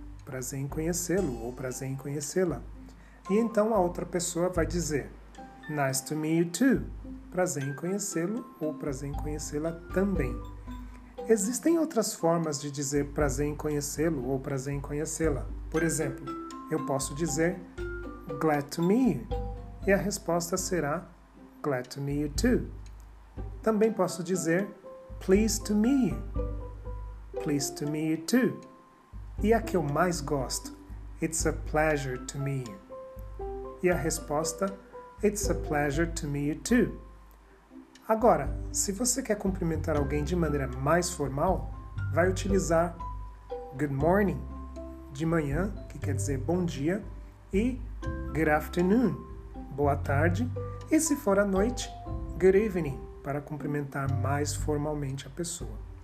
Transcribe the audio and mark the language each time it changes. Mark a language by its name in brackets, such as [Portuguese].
[Portuguese] Prazer em conhecê-lo ou prazer em conhecê-la. E então a outra pessoa vai dizer [English] nice to meet you too. [Portuguese] Prazer em conhecê-lo ou prazer em conhecê-la também. Existem outras formas de dizer prazer em conhecê-lo ou prazer em conhecê-la. Por exemplo, eu posso dizer [English] glad to meet you. [Portuguese] E a resposta será [English] glad to meet you too. [Portuguese] Também posso dizer [English] pleased to meet you. Pleased to meet you too. [Portuguese] E a que eu mais gosto, [English] it's a pleasure to meet you. [Portuguese] E a resposta, [English] it's a pleasure to meet you too. [Portuguese] Agora, se você quer cumprimentar alguém de maneira mais formal, vai utilizar [English] good morning, [Portuguese] de manhã, que quer dizer bom dia, e [English] good afternoon, [Portuguese] boa tarde, e se for à noite, [English] good evening, [Portuguese] para cumprimentar mais formalmente a pessoa.